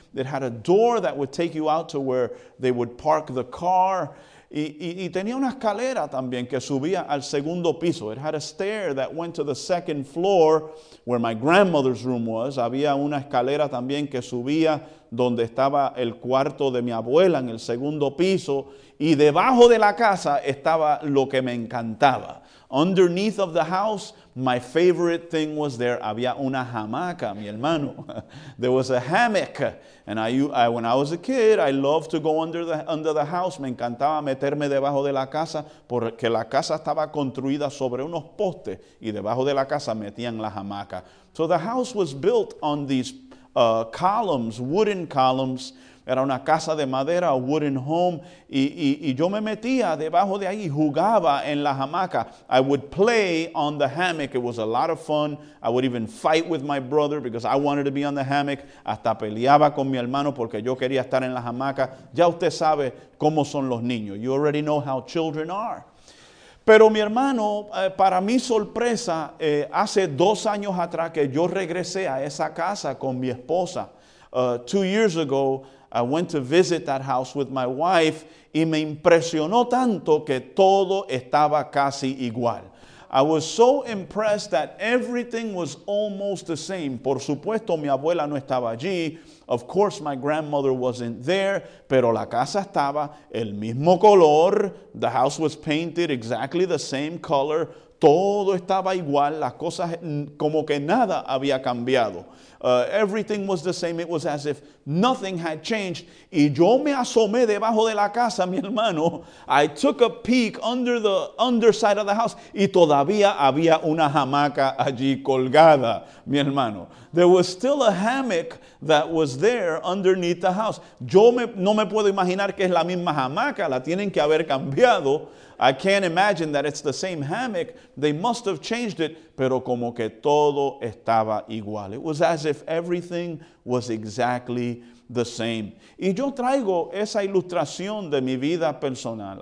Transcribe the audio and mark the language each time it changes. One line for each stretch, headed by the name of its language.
English: It had a door that would take you out to where they would park the car.
Spanish: Y tenía una escalera también que subía al segundo piso.
English: It had a stair that went to the second floor where my grandmother's room was.
Spanish: Había una escalera también que subía donde estaba el cuarto de mi abuela en el segundo piso. Y debajo de la casa estaba lo que me encantaba.
English: Underneath of the house, my favorite thing was there.
Spanish: Había una hamaca, mi hermano.
English: There was a hammock. And I when I was a kid, I loved to go under the house.
Spanish: Me encantaba meterme debajo de la casa porque la casa estaba construida sobre unos postes y debajo de la casa metían la hamaca.
English: So the house was built on these columns, wooden columns.
Spanish: Era una casa de madera,
English: a wooden home,
Spanish: y yo me metía debajo de ahí y jugaba en la hamaca.
English: I would play on the hammock. It was a lot of fun. I would even fight with my brother because I wanted to be on the hammock.
Spanish: Hasta peleaba con mi hermano porque yo quería estar en la hamaca. Ya usted sabe cómo son los niños.
English: You already know how children are.
Spanish: Pero mi hermano, para mi sorpresa, hace 2 años atrás que yo regresé a esa casa con mi esposa.
English: 2 years ago, I went to visit that house with my wife
Spanish: y me impresionó tanto que todo estaba casi igual.
English: I was so impressed that everything was almost the same.
Spanish: Por supuesto, mi abuela no estaba allí.
English: Of course, my grandmother wasn't there,
Spanish: pero la casa estaba el mismo color.
English: The house was painted exactly the same color.
Spanish: Todo estaba igual. Las cosas, como que nada había cambiado.
English: Everything was the same. It was as if nothing had changed.
Spanish: Y yo me asomé debajo de la casa, mi hermano.
English: I took a peek under the underside of the house.
Spanish: Y todavía había una hamaca allí colgada, mi hermano.
English: There was still a hammock that was there underneath the house.
Spanish: No me puedo imaginar que es la misma hamaca. La tienen que haber cambiado.
English: I can't imagine that it's the same hammock. They must have changed it,
Spanish: pero como que todo estaba igual.
English: It was as if everything was exactly the same.
Spanish: Y yo traigo esa ilustración de mi vida personal.